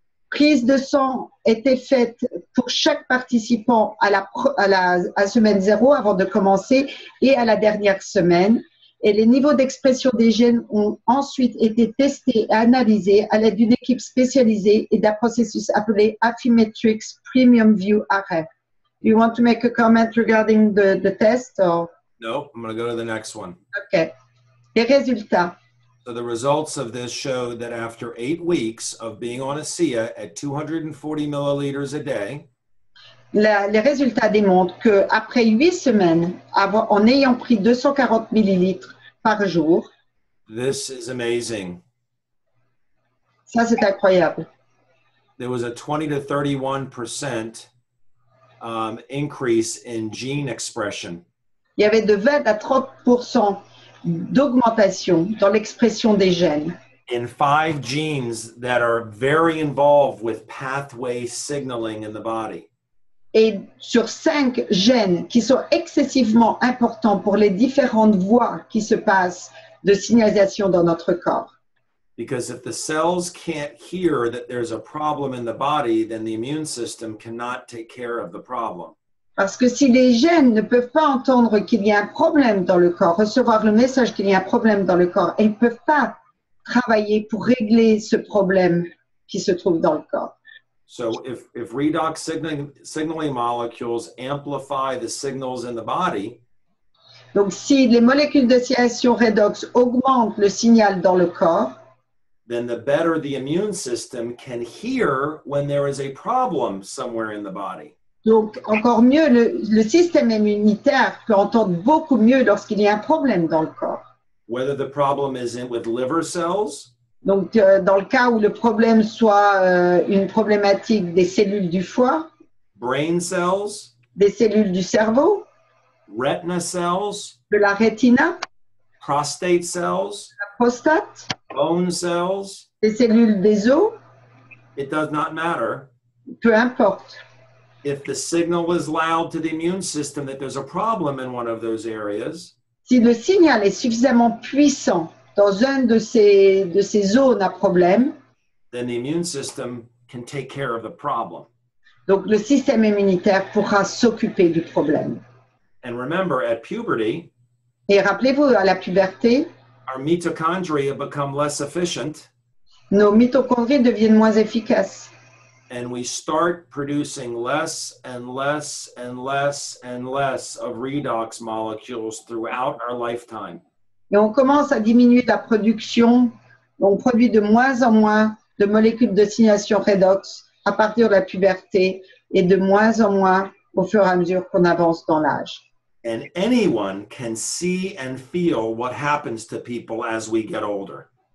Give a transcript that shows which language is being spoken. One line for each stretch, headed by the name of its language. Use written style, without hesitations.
French: Prise de sang était faite pour chaque participant à la semaine 0 avant de commencer et à la dernière semaine. Et les niveaux d'expression des gènes ont ensuite été testés et analysés à l'aide d'une équipe spécialisée et d'un processus appelé Affymetrix Premium View Array.
English: Do you want to make a comment regarding the test? Or? No, I'm going to go to the next one.
French: Okay. Les résultats.
English: So the results of this show that after 8 weeks of being on ASEA at 240 milliliters a day,
French: Les résultats démontrent qu'après 8 semaines, en ayant pris 240 millilitres par jour,
English: this is amazing.
French: Ça, c'est incroyable.
English: There was a 20 to 31% increase in gene expression.
French: Il y avait de 20 à 30% d'augmentation dans l'expression des gènes.
English: In 5 genes that are very involved with pathway signaling in the body.
French: et sur 5 gènes qui sont excessivement importants pour les différentes voies qui se passent de signalisation dans notre corps.
English: Because if the cells can't hear that there's a problem in the body, then the immune system cannot take care of the problem.
French: Parce que si les gènes ne peuvent pas entendre qu'il y a un problème dans le corps, recevoir le message qu'il y a un problème dans le corps, ils ne peuvent pas travailler pour régler ce problème qui se trouve dans le corps.
English: So if redox signaling molecules amplify the signals in the body,
French: donc si les molécules de signalisation redox augmentent le signal dans le corps,
English: then the better the immune system can hear when there is a problem somewhere in the body.
French: Donc, encore mieux, le système immunitaire peut entendre beaucoup mieux lorsqu'il y a un problème dans le corps.
English: Whether the problem is in with liver cells,
French: donc, dans le cas où le problème soit une problématique des cellules du foie,
English: brain cells,
French: des cellules du cerveau,
English: retina cells,
French: de la rétina,
English: prostate cells,
French: la prostate,
English: bone cells,
French: des cellules des os,
English: it does not matter.
French: Peu importe.
English: If the signal is loud to the immune system that there's a problem in one of those areas,
French: si le signal est suffisamment puissant dans une de ces zones à problème,
English: then the immune system can take care of the problem.
French: Donc le système immunitaire pourra s'occuper du problème.
English: And remember, at puberty,
French: et rappelez-vous, à la puberté,
English: our mitochondria become less efficient.
French: Nos mitochondries deviennent moins efficaces.
English: And we start producing less and less and less and less of redox molecules throughout our lifetime.
French: Et on commence à diminuer la production, on produit de moins en moins de molécules de signalisation redox à partir de la puberté et de moins en moins au fur et à mesure qu'on avance dans l'âge.
English: And anyone can see and feel what happens to people as we get older.